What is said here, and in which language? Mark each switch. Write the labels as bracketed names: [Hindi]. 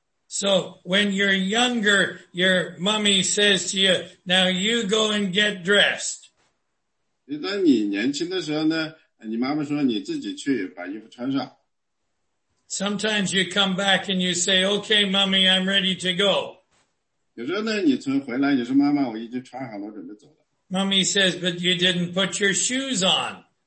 [English] So when you're younger, your mommy says to you, "Now you go and get dressed." [Chinese] 当你年轻的时候呢，你妈妈说你自己去把衣服穿上。 [English] Sometimes you come back and you say, "Okay, mommy, I'm ready to go." [Chinese] 有时候呢，你从回来，你说妈妈，我已经穿好了，准备走了。Mommy [English] says, "But you didn't put your shoes on.